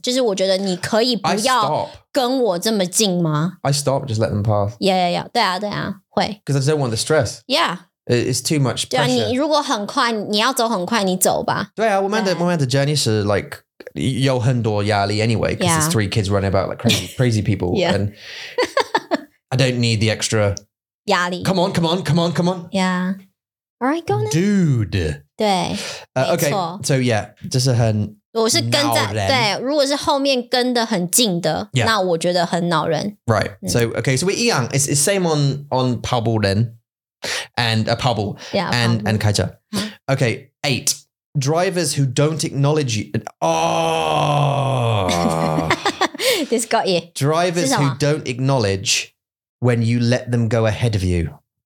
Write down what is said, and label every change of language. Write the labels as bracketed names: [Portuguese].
[Chinese] 就是我觉得你可以不要跟我这么近吗? [English] I stop, just let them pass. [Chinese] Yeah, 对啊，会. [English] Because I don't want the stress. Yeah. It's too much pressure. [Chinese] 你如果很快,你要走很快,你走吧。对啊,我们的 [English] journey 是 like, [Chinese] 有很多压力 [English] anyway, because there's three kids running about like crazy people. Yeah. And I don't need the extra... [Chinese] 压力. [English] Come on. Yeah. All right, go on. Dude. [Chinese] 对, [English] okay, so yeah, [Chinese] 这是很... 我是跟在, 如果是后面跟得很近的, [English] yeah. [Chinese] 那我觉得很恼人。 [English] Right, so, okay, so we're [Chinese] 一样, [English] it's same on 跑步 then, and a 跑步, yeah, and 开车.Okay, 8, drivers who don't acknowledge you... Oh! This got you. Drivers who don't acknowledge when you let them go ahead of you.